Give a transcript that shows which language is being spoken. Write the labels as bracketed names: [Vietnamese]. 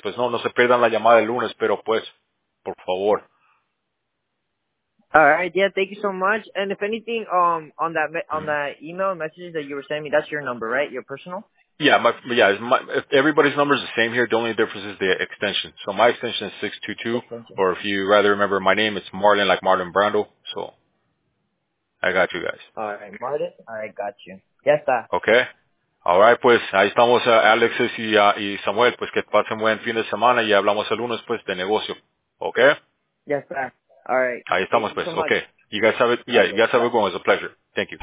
[Spanish] Pues no se pierdan la llamada el lunes, pero pues, por favor. [English] All right, yeah, thank you so much. And if anything, on that email message that you were sending me, that's your number, right? Your personal? Yeah, everybody's number is the same here. The only difference is the extension. So my extension is 622, or if you rather remember my name, it's Marlon, like Marlon Brando. So I got you guys. All right, Marlon, I got you. [Spanish] Ya está. [English] Okay. [Spanish] All right, pues, ahí estamos Alexis y Samuel. Pues que pasen buen fin de semana y hablamos el lunes, pues, de negocio. [English] Okay? [Spanish] Ya está. All right. Ahí estamos, pues. [English] Okay. You guys have a good one. It was a pleasure. Thank you.